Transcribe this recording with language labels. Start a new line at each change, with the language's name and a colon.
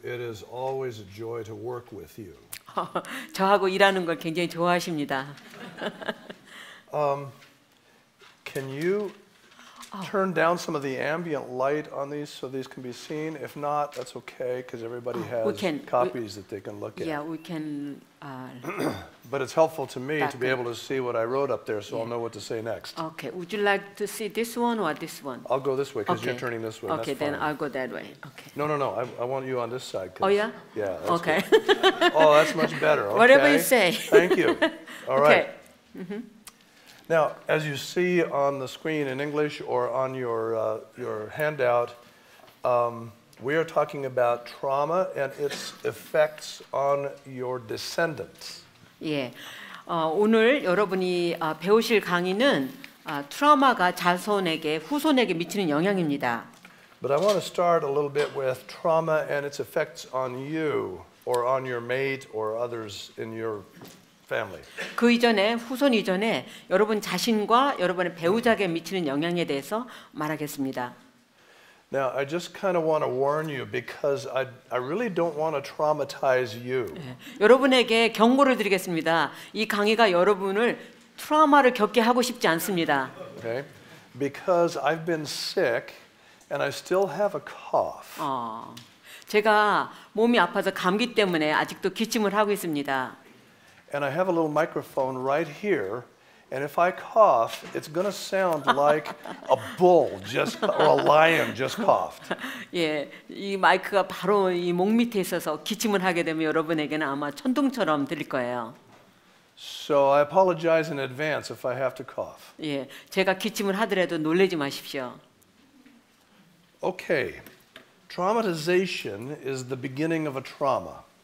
English: It is always a joy to work with you.
Korean: 저하고 일하는 걸 굉장히 좋아하십니다.
English: Can you turn down some of the ambient light on these so these can be seen? If not, that's okay because everybody has copies that they can look at. Yeah, we can. But it's helpful to me to be able to see what I wrote up there so I'll know what to say next. Okay, would you like to see this one or this one? I'll go this way because you're turning this way. Okay, then I'll go that way. Okay. No. I want you on this side. Oh, yeah? Yeah. Okay. Oh, that's much better. Okay. Whatever you say. Thank you. All right. Okay. Mm-hmm. Now, as you see on the screen in English or on your handout, we are talking about trauma and its effects on your descendants.
Korean: 예, 오늘 여러분이 배우실 강의는 트라우마가 자손에게 후손에게 미치는 영향입니다.
English: But I want to start a little bit with trauma and its effects on you or on your mate or others in your family.
Korean: 그 이전에 후손 이전에 여러분 자신과 여러분의 배우자에게 미치는 영향에 대해서 말하겠습니다.
English: Now I just kind of want to warn you because I really don't want to traumatize you.
Korean: 여러분에게 경고를 드리겠습니다. 이 강의가 여러분을 트라우마를 겪게 하고 싶지 않습니다.
English: Okay. Because I've been sick and I still have a cough.
Korean: 제가 몸이 아파서 감기 때문에 아직도 기침을 하고 있습니다.
English: And I have a little microphone right here, and if I cough, it's going to sound like a bull just or a lion just coughed.
Korean: 예, 이 마이크가 바로 이 목 밑에 있어서 기침을 하게 되면 여러분에게는 아마 천둥처럼 들릴 거예요.
English: So I apologize in advance if I have to cough.
Korean: 예, 제가 기침을 하더라도 놀라지 마십시오.
English: Okay, traumatization is the beginning of a trauma.